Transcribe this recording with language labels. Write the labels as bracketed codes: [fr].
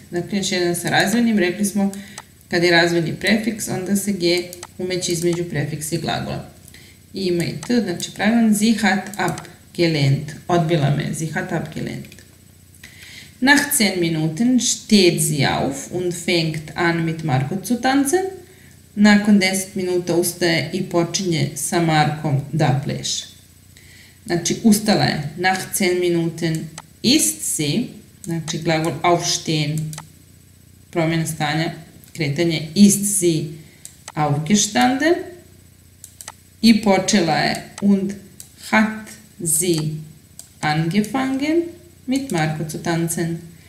[sr] Dakle, još jedan sa razvojnim, rekli smo, kad je razvojni prefiks, onda se ge umeći između prefiksa i glagola. Ima i t, znači pravilan, [de] sie hat abgelehnt, [sr] odbila me, sie hat abgelehnt. [de] Nach 10 Minuten steht sie auf und fängt an mit Marco zu tanzen. [sr] Nakon 10 minuta ustaje i počinje sa Markom da pleše. Znači, ustala je. [de] Nach 10 Minuten ist sie, [sr] znači glagol [de] aufstehen, [sr] promjena stanja, kretanje, [de] ist sie aufgestanden. [sr] I počela je [de] und hat sie angefangen mit Marco zu tanzen.